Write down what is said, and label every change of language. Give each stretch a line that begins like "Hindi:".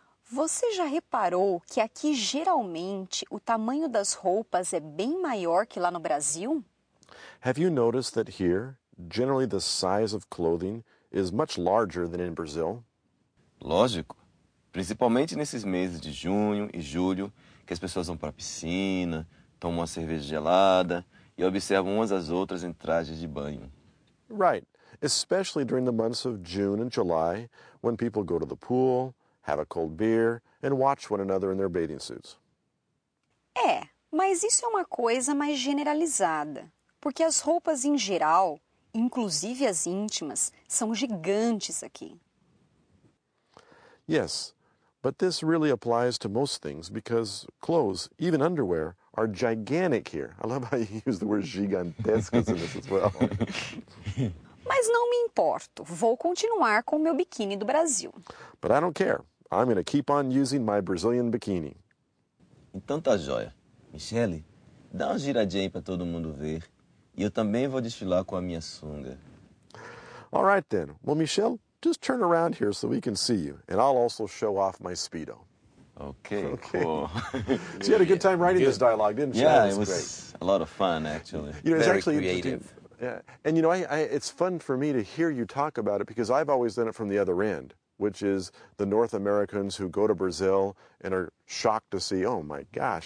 Portuguese: Você já reparou que aqui, geralmente, o tamanho das roupas é bem maior que lá no Brasil?
English: Have you noticed that here, generally the size of clothing is much larger than in Brazil?
Portuguese: Lógico. Principalmente nesses meses de junho e julho, que as pessoas vão para a piscina, tomam uma cerveja gelada e observam umas às outras em trajes de banho.
English: Right. Especially during the months of June and July, when people go to the pool, have a cold beer, and watch one another in their bathing suits.
Portuguese: É, mas isso é uma coisa mais generalizada, porque as roupas em geral, inclusive as íntimas, são gigantes aqui.
English: Yes. But this really applies to most things because clothes, even underwear, are gigantic here. I love how you use the word gigantescas in this as well.
Portuguese: Mas não me importo. Vou continuar com o meu biquíni do Brasil.
English: But I don't care. I'm going to keep on using my Brazilian bikini.
Portuguese: Então tá joia. Michele, dá uma giradinha aí para todo mundo ver. E eu também vou desfilar com a minha sunga.
English: All right, then. Well, Michelle, just turn around here so we can see you, and I'll also show off my Speedo. Okay. Cool. So you had a good time writing this dialogue, didn't you? Yeah, it was great. A lot of fun, actually. You know, very it's actually creative. Yeah, and you know, I it's fun for me to hear you talk about it because I've always done it from the other end, which is the North Americans who go to Brazil and are shocked to see, oh my gosh,